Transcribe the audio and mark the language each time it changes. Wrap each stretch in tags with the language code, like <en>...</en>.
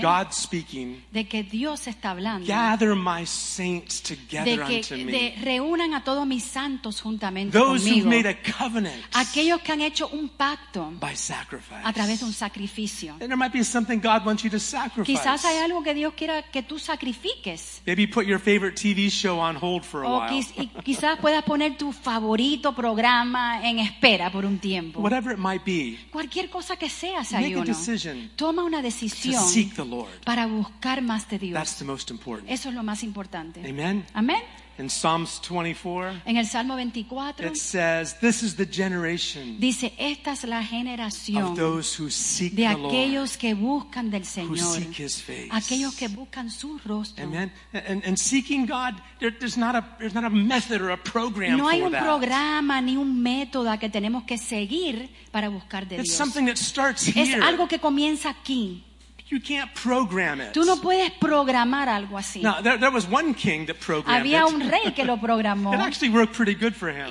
<en>God speaking,</en> <es>de que Dios está hablando.</es> <en>Gather my saints together</en> <es>de que,</es> <en>unto me.</en> <es>De reúnan a todos mis santos juntamente</es> <en>those</en> <es>conmigo.</es> <en>Those who've made a covenant.</en> <es>Aquellos que han hecho un pacto.</es> <en>By sacrifice.</en> <es>A través de un sacrificio.</es> <en>And there might be something God wants you to sacrifice.</en> <es>Quizás hay algo que Dios quiera que tú sacrifiques.</es> <en>Maybe put your favorite TV show on hold for a while.</en> <es>Quizás puedas poner tu favorito programa en espera por un tiempo.</es> <en>Whatever it might be.</en> <es>Cualquier cosa que sea,</es> <en>make a decision.</en> <es>Toma una decisión</es> <en>to seek the Lord.</en> <es>Para buscar más de Dios.</es> <en>That's the most important.</en> <es>Eso es lo más importante. Amen. Amen.</es> <en>In Psalms 24.</en> <es>En el Salmo 24.</es> <en>It says, "This is the generation."</en> <es>Dice, "Esta es la generación."</es> <en>Of those who seek the Lord.</en> <es>De aquellos que buscan del Señor.</es> <en>Who seek His face.</en> <es>Aquellos que buscan su rostro. Amen.</es> <en>And seeking God, there's not a method or a program for</en> <es>that. No hay un</es> <en>that.</en> <es>Programa ni un método que tenemos que seguir para buscar de</es> <en>it's</en> <es>Dios.</es> <en>It's something that starts here.</en> <es>Es algo que comienza aquí.</es> <en>You can't program it.</en> <es>Tú no puedes programar algo así.</es> <en>Now, there was one king that programmed</en> <es>había un rey que lo programó.</es> <en>It actually worked pretty good for him.</en>